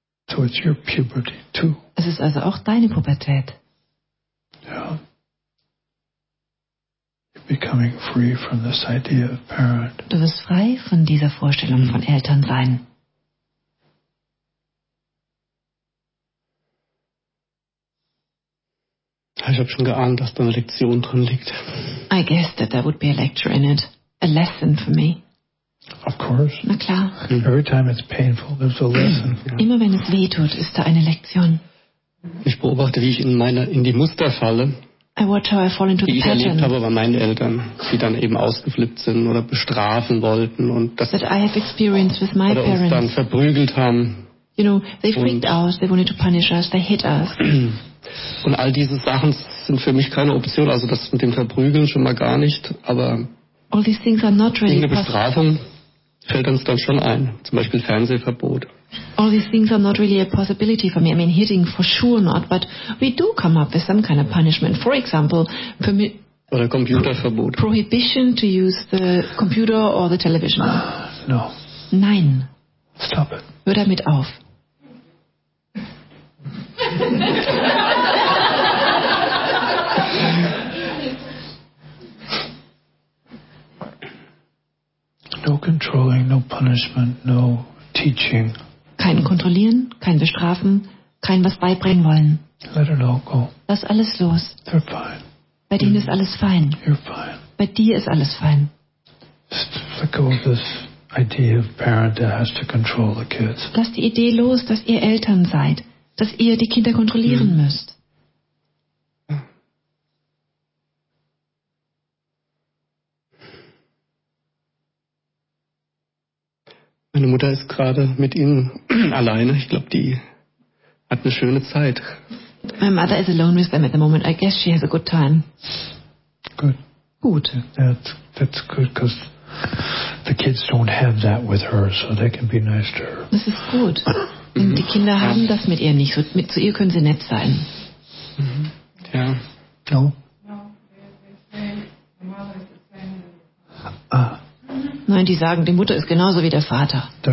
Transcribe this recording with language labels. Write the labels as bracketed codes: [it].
[en] So it's your puberty too. [de] Es ist also auch deine Pubertät. [en] Yeah. You're becoming free from this idea of parent. [de] Du wirst frei von dieser Vorstellung von Eltern sein. Ich habe schon geahnt, dass da eine Lektion drin liegt. [en] I guess that there would be a lecture in it. A lesson for me. Of course. [de] Na klar. [en] Every time it's painful, there's a lesson. [de] Immer wenn es weh tut, ist da eine Lektion. Ich beobachte, wie ich in die Muster falle. [en] I watch how I fall into the pattern. [de] Wie ich erlebt habe bei meinen Eltern, die dann eben ausgeflippt sind oder bestrafen wollten und das [en] that I have experienced with my parents. [de] Oder uns dann verprügelt haben. [en] You know, they freaked out, they wanted to punish us, they hit us. [de] Und all diese Sachen sind für mich keine Option, also das mit dem Verprügeln schon mal gar nicht, aber [en] all these things are not really [de] irgendeine Bestrafung fällt uns dann schon ein, zum Beispiel Fernsehverbot. [en] All these things are not really a possibility for me. I mean, hitting for sure not, but we do come up with some kind of punishment. For example, [de] oder Computerverbot. [en] Prohibition to use the computer or the television. No. [de] Nein. [en] Stop it. [de] Hör damit auf. [en] No controlling, no punishment, no teaching. [de] Kein kontrollieren, kein bestrafen, kein was beibringen wollen. [en] Let it all go. [de] Lass alles los. [en] They're fine. [de] Bei denen ist alles fein. [en] You're fine. [de] Bei dir ist alles fein. [en] Just let go of this idea of parent that has to control the kids. [de] Lass die Idee los, dass ihr Eltern seid, dass ihr die Kinder kontrollieren müsst. Meine Mutter ist gerade mit ihnen alleine. Ich glaube, die hat eine schöne Zeit. [en] My mother is alone with them at the moment. I guess she has a good time. Good. [de] Gut. [en] That's good, because the kids don't have that with her, so they can be nice to her. [de] Das ist gut. Denn die Kinder haben das mit ihr nicht. Mit zu ihr können sie nett sein. Mhm. Ja. [en] No. [de] Nein, die sagen, die Mutter ist genauso wie der Vater.